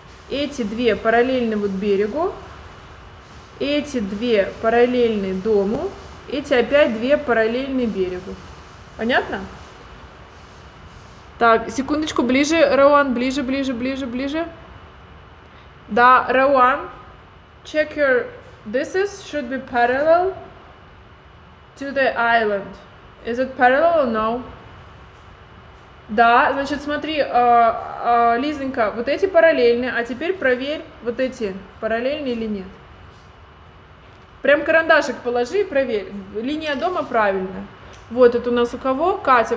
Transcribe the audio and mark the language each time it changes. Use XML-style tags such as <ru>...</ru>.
<ru>Эти две параллельны вот берегу, эти две параллельны дому, эти опять две параллельны берегу. Понятно? Так, секундочку, ближе, Рауан, ближе, ближе, ближе, ближе. Да, Рауан,</ru> <en>check your... This is should be parallel to the island. Is it parallel or no?</en> <ru>Да, значит, смотри, Лизонька, вот эти параллельны, а теперь проверь, вот эти параллельны или нет. Прям карандашик положи и проверь. Линия дома правильная. Вот, это у нас у кого? Катя.</ru>